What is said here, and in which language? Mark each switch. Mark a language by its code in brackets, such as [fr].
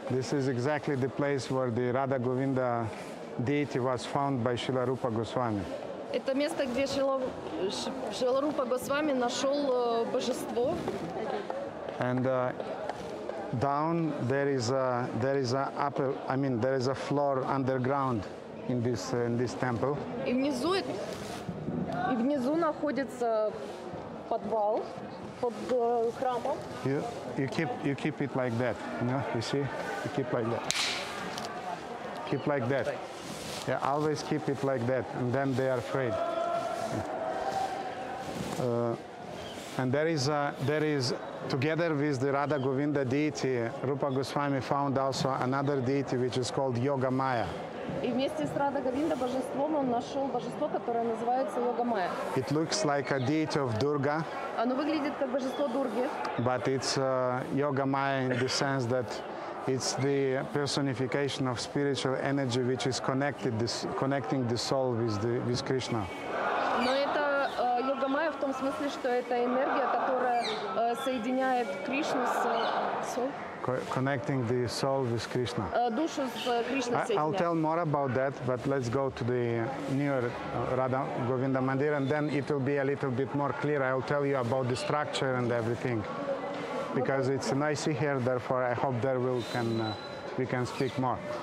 [en] This is exactly the place where the Radha Govinda deity was found by Srila Rupa Goswami. [ru] Это место, где Шрила Рупа Госвами нашёл божество. [en] And down there is a floor underground in this temple. [ru] И внизу находится подвал под храмом. [en] You keep it like that, you know? You see? You keep like that. Keep like that. Yeah, always keep it like that, and then they are afraid. And there is together with the Radha Govinda deity, Rupa Goswami found also another deity which is called Yoga Maya. [ru] И вместе с Радха Говинда божеством он нашел божество, которое называется Йога Майя. [en] It looks like a deity of Durga. [ru] Оно выглядит как божество Дурги. [en] But it's Yoga Maya in the sense that it's the personification of spiritual energy which is connecting the soul with Krishna. [ru] Но это Йога Майя в том смысле, что это энергия, которая соединяет Кришну с Солом. [en] Connecting the soul with Krishna. [ru] Душу с Кришной. [en] I'll tell more about that, but let's go to the newer Radha Govinda Mandir, and then it will be a little bit more clear. I'll tell you about the structure and everything, because it's nice here. Therefore, I hope there we can speak more.